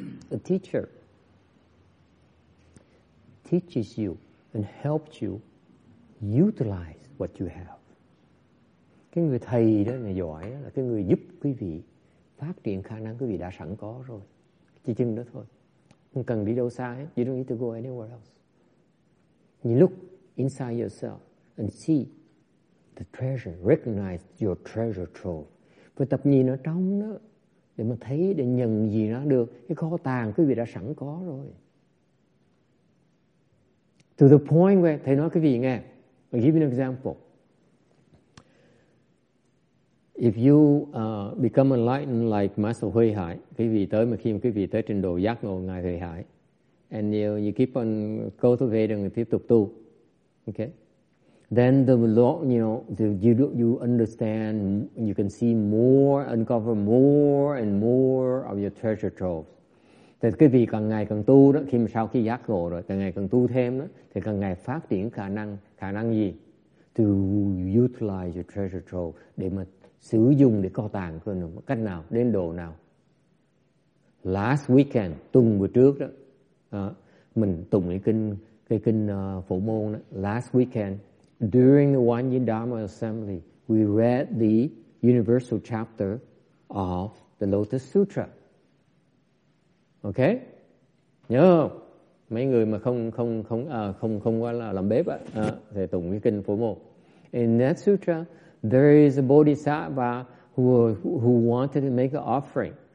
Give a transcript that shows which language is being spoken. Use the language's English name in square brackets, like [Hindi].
[English] A teacher teaches you and helps you utilize what you have. [Vietnamese] Cái người thầy đó, người giỏi đó, là cái người giúp quý vị phát triển khả năng quý vị đã sẵn có rồi. Chỉ chừng đó thôi. Không cần đi đâu xa hết. [English] You don't need to go anywhere else. You look inside yourself and see the treasure. Recognize your treasure trove. [Vietnamese] Phải tập nhìn ở trong đó để mà thấy, để nhận gì ra được cái kho tàng quý vị đã sẵn có rồi. [English] To the point where, [Vietnamese] thầy nói quý vị nghe, [English] I'll give you an example. If you become enlightened like Master Huy Hải, [Vietnamese] quý vị tới, mà khi mà quý vị tới trình độ giác ngộ Ngài Huy Hải, [English] and you keep on cultivating and [Vietnamese] tiếp tục tu, okay? [English] Then the law, you know, you understand, you can see more, uncover more and more of your treasure troves. [Vietnamese] Thì quý vị càng ngày càng tu đó, khi mà sau khi giác ngộ rồi, càng ngày càng tu thêm đó, thì càng ngày phát triển khả năng gì? [English] To utilize your treasure trove, [Vietnamese] để mà sử dụng để kho tàng cơ nào, cách nào, đến độ nào. [English] Last weekend, [Vietnamese] tuần vừa trước đó, mình tụng cái kinh Phổ Môn đó, [English] last weekend, during the One Yin Dharma Assembly, we read the universal chapter of the Lotus Sutra. [Vietnamese] Okay, nhớ không? Mấy người mà không qua là làm bếp thì tụng cái kinh Phổ Môn. [English] In that sutra, there is a bodhisattva who wanted to make an offering.